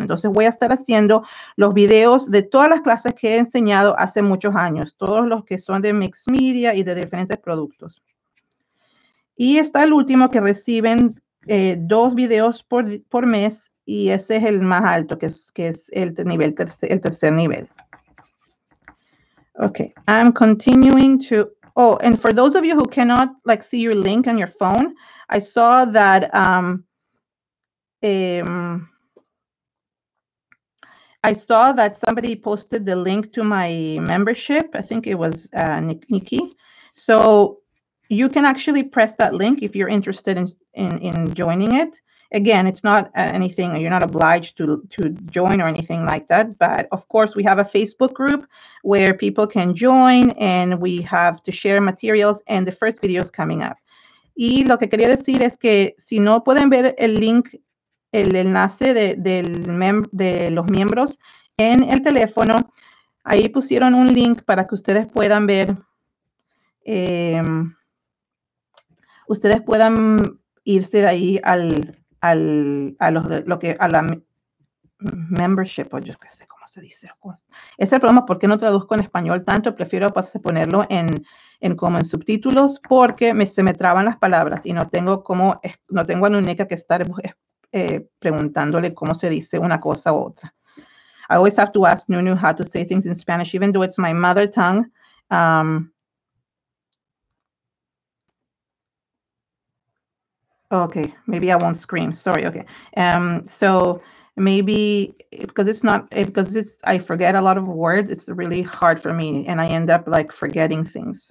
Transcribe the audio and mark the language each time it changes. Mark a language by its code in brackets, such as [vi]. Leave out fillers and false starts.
[es] Entonces, voy a estar haciendo los videos de todas las clases que he enseñado hace muchos años, todos los que son de mixed media y de diferentes productos. Y está el último, que reciben dos videos por mes, y ese es el más alto, que es el tercer nivel. [en] Okay, I'm continuing to... Oh, and for those of you who cannot, like, see your link on your phone, I saw that somebody posted the link to my membership. I think it was Nikki. So you can actually press that link if you're interested in joining it. Again, it's not anything, you're not obliged to join or anything like that. But of course, we have a Facebook group where people can join, and we have to share materials, and the first video is coming up. [es] Y lo que quería decir es que si no pueden ver el link, el enlace de los miembros en el teléfono, ahí pusieron un link para que ustedes puedan ver, ustedes puedan irse de ahí a la membership, o yo qué sé cómo se dice. Es el problema, porque no traduzco en español tanto, prefiero ponerlo en subtítulos, porque se me traban las palabras y no tengo a Nuneca que estar preguntándole cómo se dice una cosa u otra. [en] I always have to ask Nunu how to say things in Spanish, even though it's my mother tongue. Okay, maybe I won't scream. Sorry. Okay. So maybe because I forget a lot of words, it's really hard for me, and I end up like forgetting things.